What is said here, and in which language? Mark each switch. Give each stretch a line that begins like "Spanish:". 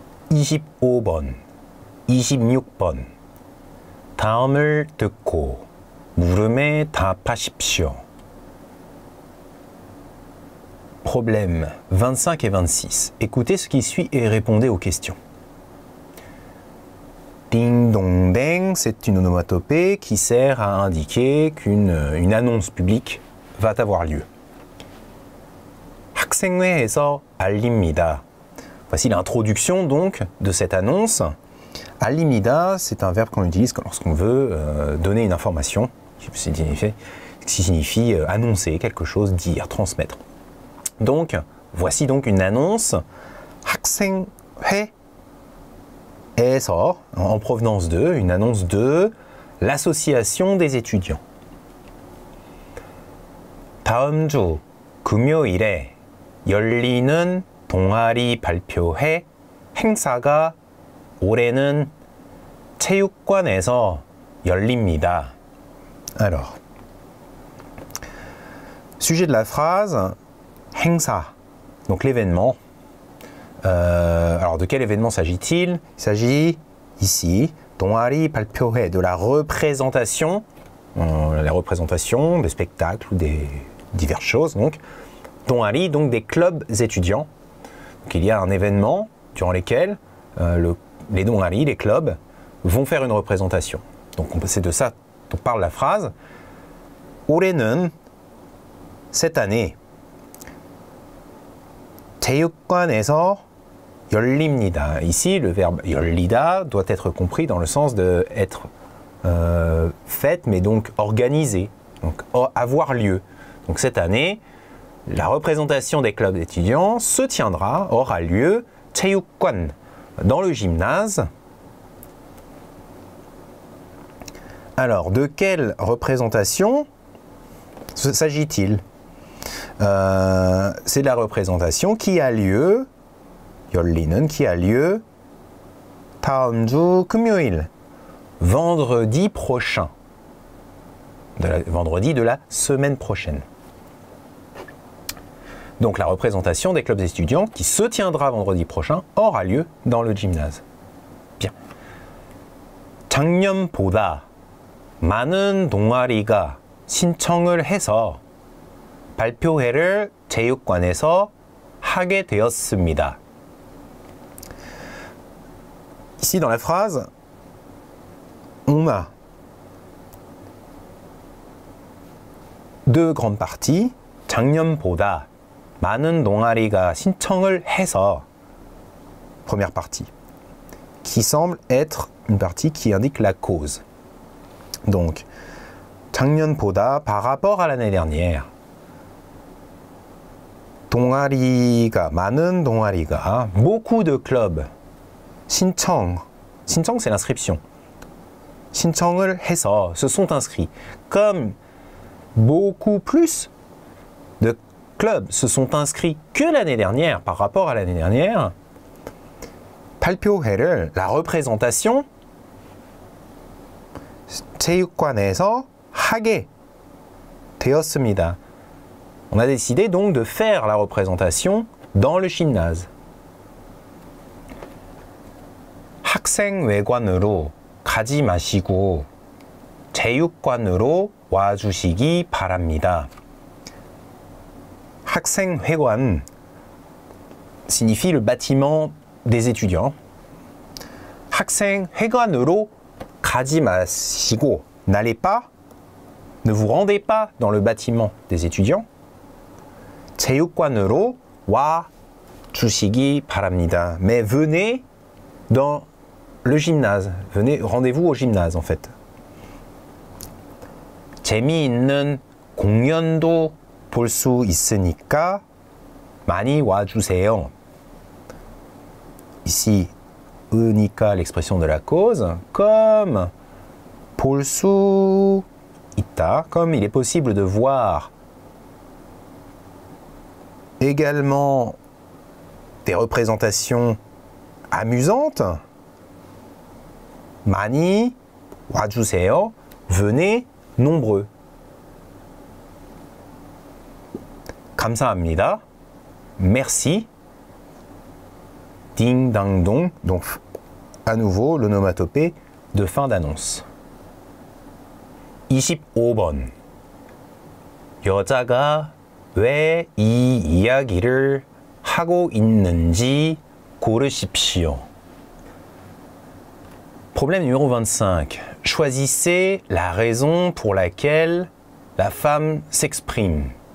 Korean: 25번, 26번 다음을 듣고 물음에 답하십시오.
French: Problème 25 et 26. Écoutez ce qui suit et répondez aux questions. Ding dong ding, c'est une onomatopée qui sert à indiquer qu'une annonce publique va avoir lieu.
Korean: 학생회에서 알립니다.
French: Voici l'introduction donc de cette annonce. Alimida, c'est un verbe qu'on utilise lorsqu'on veut donner une information, qui signifie annoncer quelque chose, dire, transmettre. Donc, voici donc une annonce.
Korean: 학생회에서,
French: en provenance de, une annonce de l'association des étudiants.
Korean: 다음 주 금요일에 열리는 동아리 발표회 행사가 올해는 체육관에서 열립니다.
French: Alors, sujet de la phrase, 행사, donc l'événement. Alors, de quel événement s'agit-il? Il s'agit ici,
Korean: 동아리 발표회,
French: de la représentation, des spectacles, des diverses choses. Donc, 동아리, donc des clubs étudiants. Donc, il y a un événement durant lequel les 동아리, les clubs, vont faire une représentation. Donc c'est de ça dont parle la phrase.
Korean: 올해는
French: cette année
Korean: 체육관에서 열립니다.
French: Ici le verbe 열리다 doit être compris dans le sens de être faite, mais donc organisée, donc avoir lieu. Donc cette année la représentation des clubs d'étudiants se tiendra, aura lieu 체육관 dans le gymnase. Alors, de quelle représentation s'agit-il? C'est la représentation qui a lieu, 열리는, qui a lieu
Korean: 다음 주 금요일,
French: vendredi prochain, vendredi de la semaine prochaine. Donc, la représentation des clubs étudiants qui se tiendra vendredi prochain aura lieu dans le gymnase. Bien.
Korean: 작년보다 많은 동아리가 신청을 해서 발표회를 체육관에서 하게 되었습니다.
French: Ici dans la phrase, on a deux grandes parties.
Korean: 작년보다 많은 동아리가 신청을 해서
French: première partie qui semble être une partie qui indique la cause. Donc, 작년보다 par rapport à l'année dernière,
Korean: 동아리가 많은 동아리가
French: beaucoup de clubs 신청 c'est l'inscription
Korean: 신청을 해서
French: se sont inscrits comme beaucoup plus de clubs se sont inscrits que l'année dernière par rapport à l'année dernière
Korean: 발표회를
French: la représentation
Korean: 체육관에서 하게 되었습니다.
French: On a décidé donc de faire la représentation dans le gymnase.
Korean: 학생 외관으로 가지 마시고 체육관으로 와 주시기 바랍니다.
French: 학생 회관 signifie le bâtiment des étudiants.
Korean: 학생 회관으로 가지 마시고
French: n'allez pas ne vous rendez pas dans le bâtiment des étudiants.
Korean: 체육관으로 와 주시기 바랍니다.
French: Mais venez dans le gymnase. Venez, rendez-vous au gymnase en fait.
Korean: 재미있는 공연도 볼 수 있으니까 많이 와 주세요.
French: Ici, 으니까 l'expression de la cause, comme
Korean: 볼 수 있다,
French: comme il est possible de voir également des représentations amusantes.
Korean: 많이 와주세요.
French: Venez nombreux.
Korean: 감사합니다.
French: Merci. Ding dang dong. Donc, à nouveau, l'onomatopée de fin d'annonce.
Korean: 25번. 여자가 왜 이 이야기를 하고 있는지 고르십시오.
French: Problème numéro 25. Choisissez la raison pour laquelle la femme s'exprime.